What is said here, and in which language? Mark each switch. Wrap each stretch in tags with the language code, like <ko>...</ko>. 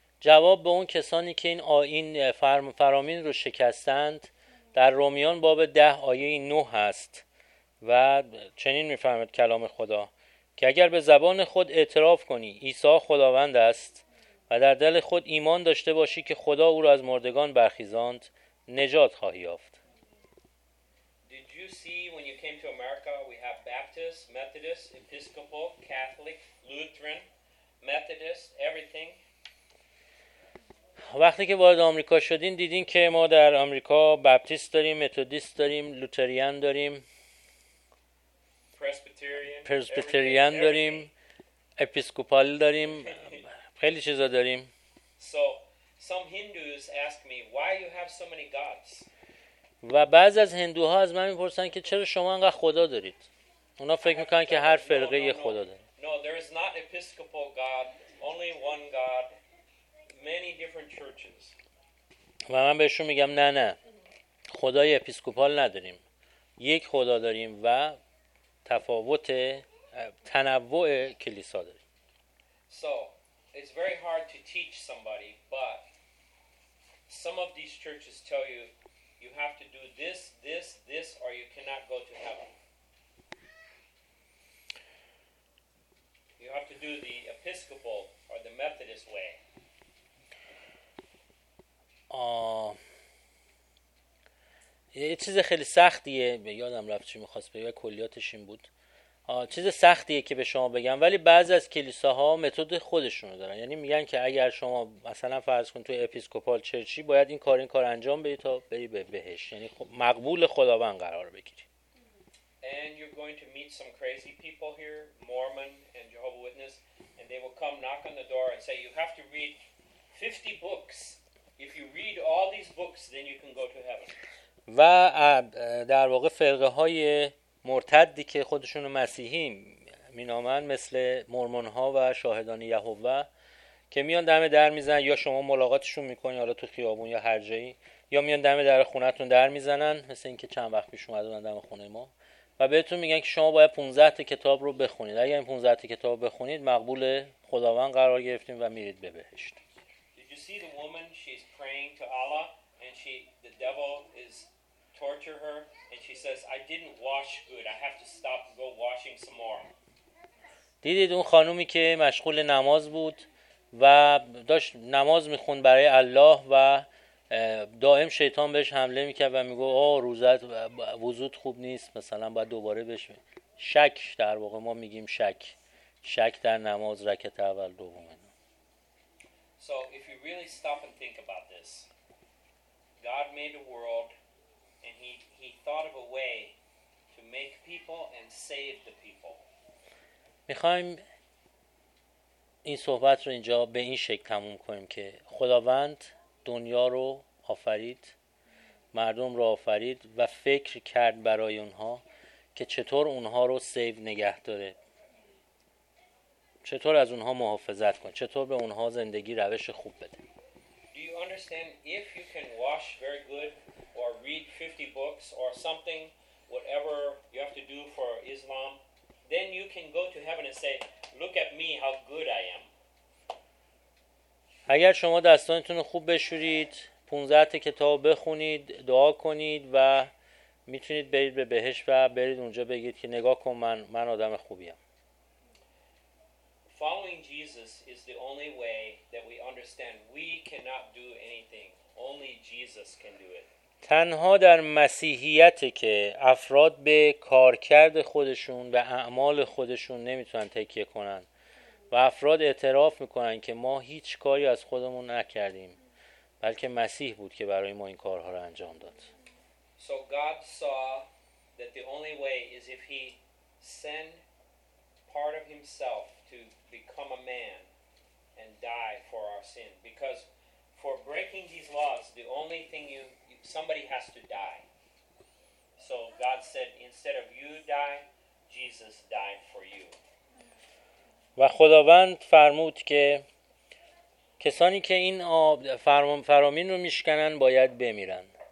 <fa>جواب به اون کسانی که این آیین فرامین رو شکستند در رومیان باب 10 آیه 9 هست و چنین می‌فهمد کلام خدا که اگر به زبان خود اعتراف کنی عیسی خداوند است و در دل خود ایمان داشته باشی که خدا او را از مردگان برخیزاند نجات خواهی یافت.</fa> <en>Did you see when you came to America we have Baptist, Methodist, Episcopal, Catholic, Lutheran, Methodist, everything.</en> <fa>وقتی که وارد آمریکا شدین دیدین که ما در آمریکا بپتیست داریم، متدیست داریم، لوتریان داریم، پرسبیتریان داریم، اپیسکوپال داریم، خیلی چیزا داریم.</fa> <en>So some Hindus ask me why you have so many gods.</en> <fa>و بعضی از هندوها از من میپرسن که چرا شما انقدر خدا دارید؟ اونا فکر میکنن که هر فرقه یه خدا داره.</fa> <en>No, there is not episcopal god, only one god. Many different churches.</en> <fa>و من بهشون میگم نه خدای اپیسکوپال نداریم، یک خدا داریم و تفاوت تنوع کلیسا داریم.</fa> <en>So it's very hard to teach somebody, but some of these churches tell you you have to do this or you cannot go to heaven. You have to do the episcopal or the Methodist way.</en> <fa>یه چیز خیلی سختیه، یادم رفت چی میخواست بگم، کلیاتش این بود. چیز سختیه که به شما بگم، ولی بعضی از کلیساها متد خودشون رو دارن، یعنی میگن که اگر شما مثلا فرض کن تو اپیسکوپال چرچی باید این کار انجام بدی تا بری به بهش، یعنی مقبول خداوند قرار بگیری.</fa> <en>And you're going to meet some crazy people here, Mormon and Jehovah Witness, and they will come knock on the door and say you have to read 50 books. If you read all these books then you can go to heaven.</en> <fa>و در واقع فرقه های مرتدی که خودشون مسیحی مینامند مثل مورمون ها و شاهدان یهوه که میان دم در میزنن، یا شما ملاقاتشون میکنی حالا تو خیابون یا هر جایی، یا میان دم در خونتون در میزنن، مثل اینکه چند وقت پیش اومدن دم خونه ما و بهتون میگن که شما باید 15 تا کتاب رو بخونید، اگر این 15 تا کتاب بخونید مقبول خداوند قرار گرفتین و میرید به بهشت.</fa> <en>See the woman, she's praying to Allah and the devil is torture her and she says I didn't wash good, I have to stop and go washing some more.</en> <fa>دیدید اون خانومی که مشغول نماز بود و داشت نماز میخوند برای الله و دائم شیطان بهش حمله میکرد و میگه روزت وضوت خوب نیست، مثلا باید دوباره بشه. شک، در واقع ما میگیم شک در نماز رکعت اول دوم.</fa> <en>So if you really stop and think about this, God made a world and he thought of a way to make people and save the people.</en> <fa>می‌خوایم این صحبت رو اینجا به این شکل تموم کنیم که خداوند دنیا رو آفرید، مردم رو آفرید و فکر کرد برای اونها که چطور اونها رو سیو نگه داره، چطور از اونها محافظت کن، چطور به اونها زندگی روش خوب بده.</fa> <en>Do you understand if you can wash very good or read 50 books or something, whatever you have to do for Islam, then you can go to heaven and say, look at me how good I am.</en> <fa>اگر شما دستانتون رو خوب بشورید، 15 تا کتاب بخونید، دعا کنید و میتونید برید به بهشت و برید اونجا بگید که نگاه کن من آدم خوبیم.</fa> <en>Following Jesus is the only way that we understand we cannot do anything. Only Jesus can do it.</en> <fa>تنها در مسیحیت که افراد به کارکرد خودشون و اعمال خودشون نمیتونن تکیه کنن و افراد اعتراف میکنن که ما هیچ کاری از خودمون نکردیم، بلکه مسیح بود که برای ما این کارها رو انجام داد.</fa> <en>So God saw that the only way is if he send part of himself to become a man and die for our sin, because for breaking these laws the only thing you, somebody has to die. So God said, instead of you die, Jesus died for you.</en> <fa>و خداوند فرمود که کسانی که این فرامین رو میشکنن باید بمیرن.</fa>